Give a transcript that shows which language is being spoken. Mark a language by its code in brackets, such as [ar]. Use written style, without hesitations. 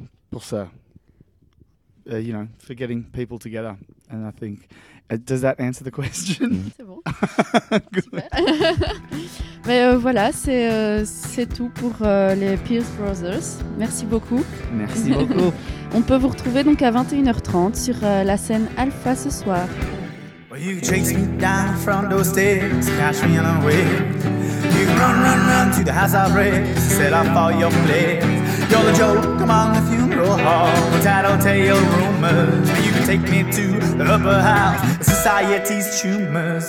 [fr] Pour ça, [en] you know, for getting people together, and I think, does that answer the question? [fr] C'est bon. . Mais voilà, c'est tout pour les Pierce Brothers. Merci beaucoup. Merci beaucoup. On peut vous retrouver donc à 21h30 sur la scène Alpha ce soir. [en] Well, you chase me down from those stairs, catch me on a way. You run, run, run to the house I've raised, set up all your plans. You're the joke, come on, the funeral hall, the tattletale rumors. You can take me to the upper house, the society's tumors.